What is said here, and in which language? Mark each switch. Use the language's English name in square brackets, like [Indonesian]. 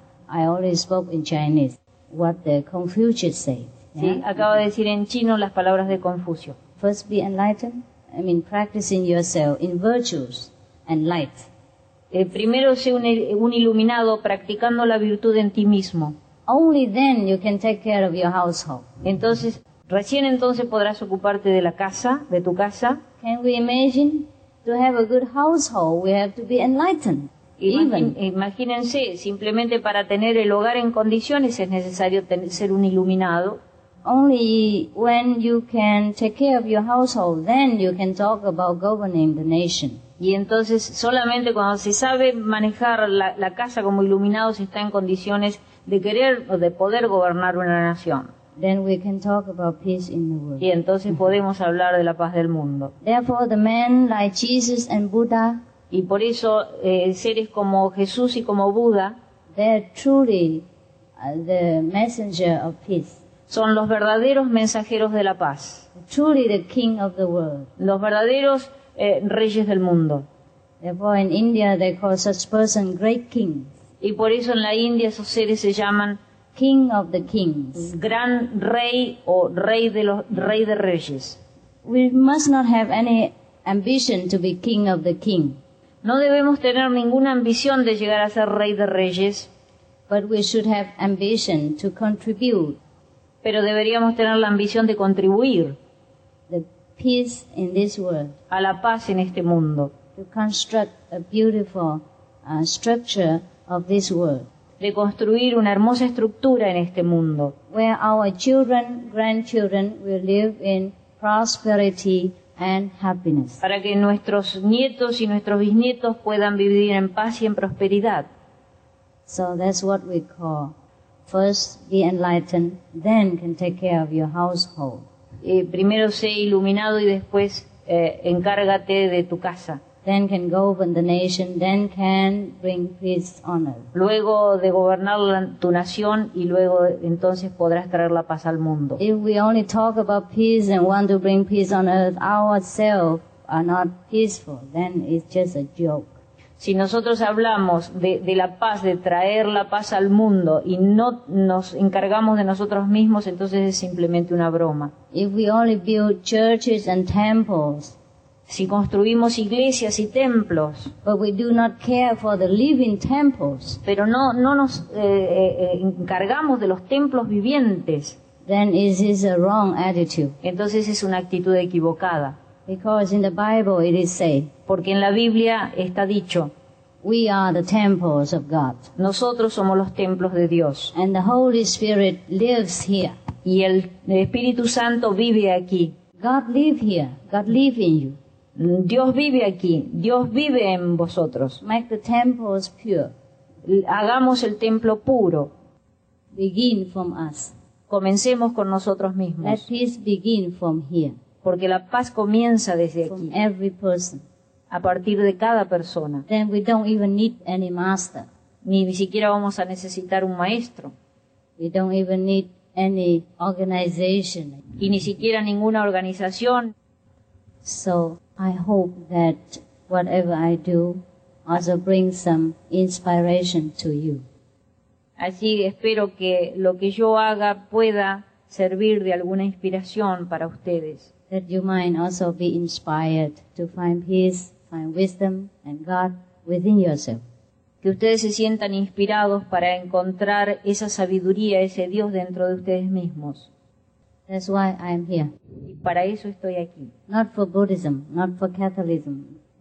[English] I always spoke in Chinese what the Confucius said. Yeah? [Spanish] Sí, acabo de decir en chino las palabras de Confucio. [English] First be enlightened. I mean practicing yourself in virtues and light. [Spanish] Primero sé un iluminado practicando la virtud en ti mismo. [English] Only then you can take care of your household. [Spanish] Entonces, recién entonces podrás ocuparte de la casa, de tu casa. [English] Can we imagine to have a good household? We have to be enlightened. [Spanish] Imagínense, simplemente para tener el hogar en condiciones es necesario ser un iluminado. [English] Only when you can take care of your household, then you can talk about governing the nation. [Spanish] Y entonces, solamente cuando se sabe manejar la casa como iluminado, se está en condiciones de querer o de poder gobernar una nación. [English] Then we can talk about peace in the world. [Spanish] Y entonces podemos hablar de la paz del mundo. [English] Therefore, the men like Jesus and Buddha. [Spanish] Y por eso seres como Jesús y como Buda, [English] they're truly the messenger of peace. [Spanish] Son los verdaderos mensajeros de la paz. [English] Truly the king of the world. [Spanish] Los verdaderos reyes del mundo. [English] Therefore, in India, they call such person great kings. [Spanish] Y por eso en la India esos seres se llaman [English] king of the kings. [Spanish] Gran rey o rey de reyes. [English] We must not have any ambition to be king of the king. [Spanish] No debemos tener ninguna ambición de llegar a ser rey de reyes. [English] But we should have ambition to contribute. [Spanish] Pero deberíamos tener la ambición de contribuir. [English] The peace in this world. [Spanish] A la paz en este mundo. [English] To construct a beautiful structure of this world. [Spanish] De construir una hermosa estructura en este mundo. [English] Where our children, grandchildren will live in prosperity and happiness. [Spanish] Para que nuestros nietos y nuestros bisnietos puedan vivir en paz y en prosperidad. [English] So that's what we call first be enlightened, then can take care of your household. [Spanish] Primero sé iluminado y después encárgate de tu casa. [English] Then can govern the nation, then can bring peace on earth. [Spanish] Luego de gobernar tu nación y luego entonces podrás traer la paz al mundo. [English] If we only talk about peace and want to bring peace on earth, ourselves are not peaceful, then it's just a joke. [Spanish] Si nosotros hablamos de la paz, de traer la paz al mundo y no nos encargamos de nosotros mismos, entonces es simplemente una broma. [English] If we only build churches and temples, [Spanish] si construimos iglesias y templos, [English] but we do not care for the living temples, [Spanish] pero no nos encargamos de los templos vivientes, [English] then it is a wrong attitude. [Spanish] Entonces es una actitud equivocada. [English] Because in the Bible it is said, [Spanish] porque en la Biblia está dicho, [English] we are the temples of God. [Spanish] Nosotros somos los templos de Dios. [English] And the Holy Spirit lives here. [Spanish] Y el Espíritu Santo vive aquí. [English] God lives here. God lives in you. [Spanish] Dios vive aquí. Dios vive en vosotros. [English] Make the temples pure. [Spanish] Hagamos el templo puro. [English] Begin from us. [Spanish] Comencemos con nosotros mismos. [English] Let peace begin from here. [Spanish] Porque la paz comienza desde [English] from [Spanish] aquí. [English] Every person. [Spanish] A partir de cada persona. [English] Then we don't even need any master. [Spanish] Ni siquiera vamos a necesitar un maestro. [English] We don't even need any organization. [Spanish] Y ni siquiera ninguna organización. [English] So I hope that whatever I do also brings some inspiration to you. [Spanish] Así espero que lo que yo haga pueda servir de alguna inspiración para ustedes. [English] That you might also be inspired to find peace, find wisdom, and God within yourself. [Spanish] que ustedes se sientan inspirados para encontrar esa sabiduría, ese Dios dentro de ustedes mismos. [English] That's why I am here. [Spanish] Y para eso estoy aquí. [English] Not for Buddhism, not for Catholicism.